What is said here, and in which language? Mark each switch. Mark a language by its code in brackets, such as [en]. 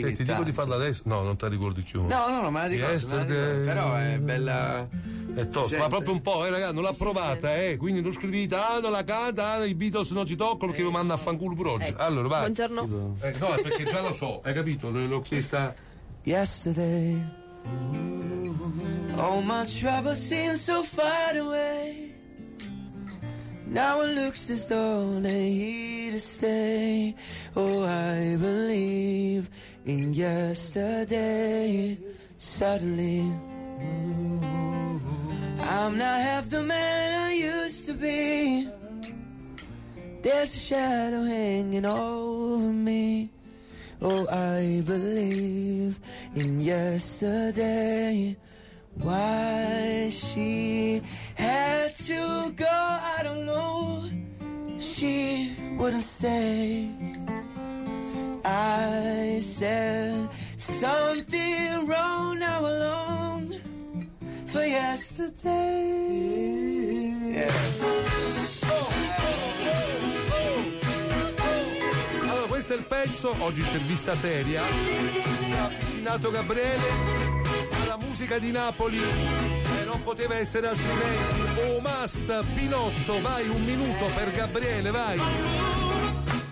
[it] Se ti dico di farla adesso, no, non te la ricordi più. No, me la ricordo. Yesterday. Però è bella. È tosta, ma proprio un po', ragazzi, non l'ha provata, quindi non scrivete, non la canta, i Beatles non ci toccano, perché mi manda a fanculo pure oggi. Allora, vai. Buongiorno. No, è perché già lo so, hai capito? L'ho chiesta. [en] Yesterday. All my troubles seem so far away. Now it looks as though they're here to stay. Oh, I believe in yesterday. Suddenly, I'm not half the man I used to be. There's a shadow hanging over me. Oh, I believe in yesterday. Why she had to go, I don't know. She wouldn't stay. I said something wrong, now alone for yesterday. Yeah. [it] Questo è il pezzo, oggi intervista seria, avvicinato Gabriele alla musica di Napoli, e non poteva essere altrimenti. Oh, must Pinotto, vai, un minuto per Gabriele, vai.